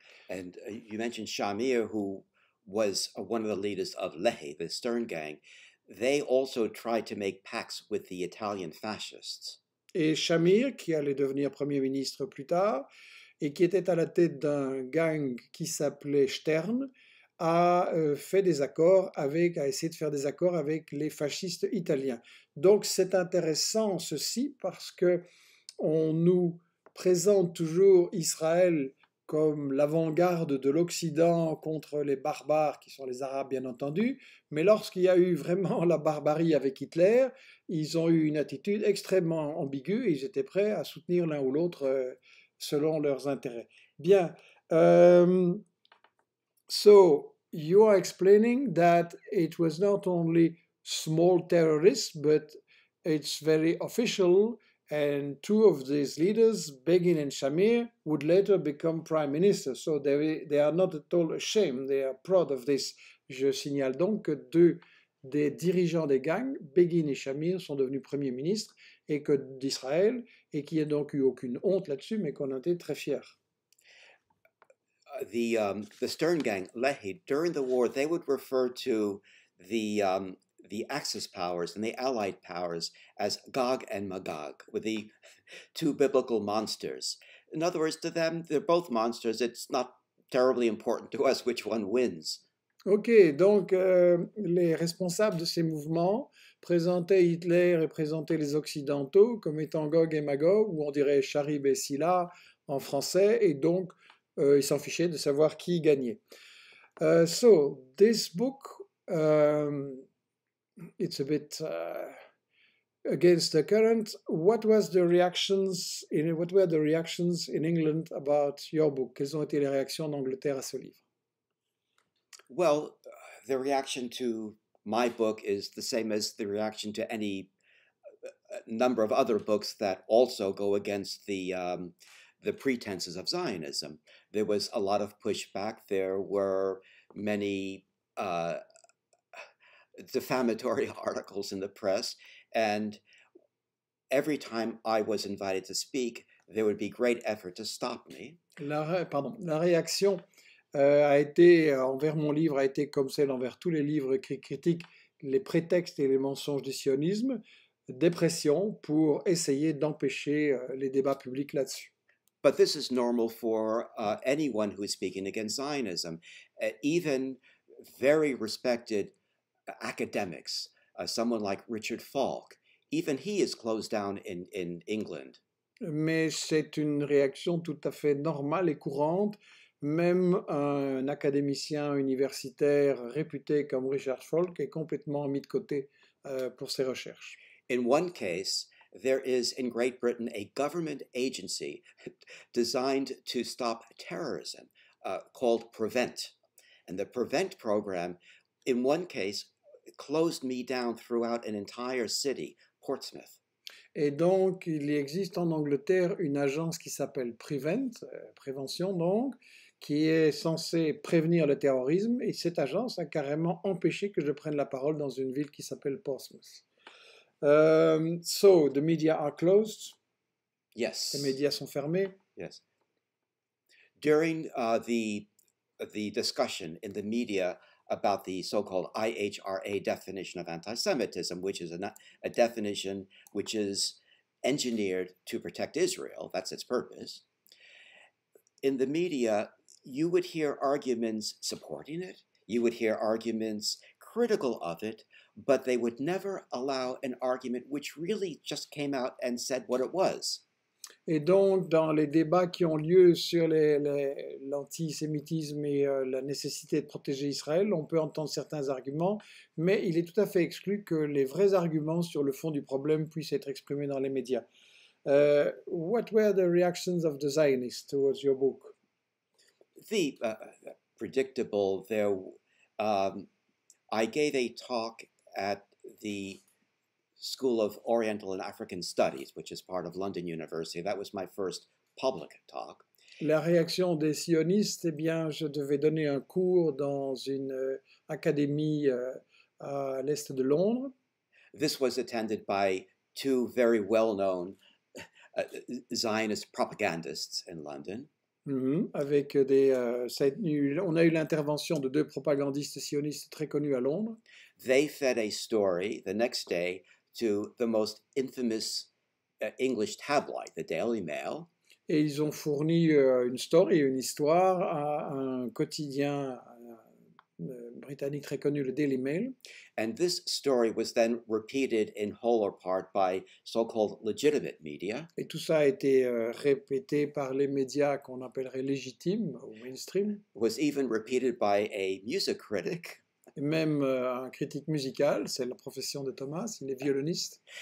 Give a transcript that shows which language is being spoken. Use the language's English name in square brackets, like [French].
[English] And you mentioned Shamir, who was one of the leaders of Lehi, the Stern Gang. They also tried to make pacts with the Italian fascists. [French] Et Shamir, qui allait devenir premier ministre plus tard, et qui était à la tête d'un gang qui s'appelait Stern, a essayé de faire des accords avec les fascistes italiens. Donc c'est intéressant ceci, parce que on nous présente toujours Israël comme l'avant-garde de l'Occident contre les barbares, qui sont les Arabes bien entendu, mais lorsqu'il y a eu vraiment la barbarie avec Hitler, ils ont eu une attitude extrêmement ambiguë, et ils étaient prêts à soutenir l'un ou l'autre selon leurs intérêts. [English] Bien, so you are explaining that it was not only small terrorists, but it's very official, and two of these leaders, Begin and Shamir, would later become prime minister. So they are not at all ashamed, they are proud of this. [French] Je signale donc que deux des dirigeants des gangs, Begin et Shamir, sont devenus premiers ministres et que d'Israël, et qu'il n'y a donc eu aucune honte là-dessus, mais qu'on était très fiers. [English] The Stern Gang, Lehi, during the war, they would refer to the Axis powers and the Allied powers as Gog and Magog, with the two biblical monsters. In other words, to them, they're both monsters. It's not terribly important to us which one wins. [French] Ok, donc les responsables de ces mouvements présentaient Hitler et présentaient les Occidentaux comme étant Gog et Magog, ou on dirait Charib et Silla en français, et donc ils s'en fichaient de savoir qui gagnait. [English] So, this book, it's a bit against the current. What were the reactions in England about your book? [French] Quelles ont été les réactions d'Angleterre à ce livre? [English] Well, the reaction to my book is the same as the reaction to any number of other books that also go against the pretenses of Zionism. There was a lot of pushback. There were many defamatory articles in the press. And every time I was invited to speak, there would be great effort to stop me. [French] La réaction a été envers mon livre a été comme celle envers tous les livres écrits critiques, les prétextes et les mensonges du sionisme, dépression pour essayer d'empêcher les débats publics là-dessus. [English] But this is normal for anyone who is speaking against Zionism, even very respected academics, someone like Richard Falk, even he is closed down in England. [French] Mais c'est une réaction tout à fait normale et courante. Même un académicien universitaire réputé comme Richard Falk est complètement mis de côté pour ses recherches. [English] In one case, there is in Great Britain a government agency designed to stop terrorism called PREVENT. And the PREVENT program, in one case, closed me down throughout an entire city, Portsmouth. [French] Et donc, il existe en Angleterre une agence qui s'appelle PREVENT, prévention donc, qui est censé prévenir le terrorisme, et cette agence a carrément empêché que je prenne la parole dans une ville qui s'appelle Portsmouth. [English] So, the media are closed. Yes. [French] Les médias sont fermés. [English] Yes. During the discussion in the media about the so-called IHRA definition of antisemitism, which is a definition which is engineered to protect Israel, that's its purpose, in the media, you would hear arguments supporting it, you would hear arguments critical of it, but they would never allow an argument which really just came out and said what it was. [French] Et donc, dans les débats qui ont lieu sur l'antisémitisme et la nécessité de protéger Israël, on peut entendre certains arguments, mais il est tout à fait exclu que les vrais arguments sur le fond du problème puissent être exprimés dans les médias. [English] What were the reactions of the Zionists towards your book? The predictable, there, I gave a talk at the School of Oriental and African Studies, which is part of London University. That was my first public talk. [French] La réaction des sionistes, eh bien, je devais donner un cours dans une académie à l'est de Londres. [English] This was attended by two very well-known Zionist propagandists in London. Mm-hmm. [French] Avec des, on a eu l'intervention de deux propagandistes sionistes très connus à Londres. [English] They fed a story the next day to the most infamous English tabloid, the Daily Mail. [French] Et ils ont fourni une story, une histoire à un quotidien britannique très connu, le Daily Mail. [English] And this story was then repeated in whole or part by so-called legitimate media. [French] Et tout ça a été répété par les médias qu'on appellerait légitimes ou mainstream. [English] Was even repeated by a music critic. [French] Et même un critique musical, c'est la profession de Thomas, il est violoniste.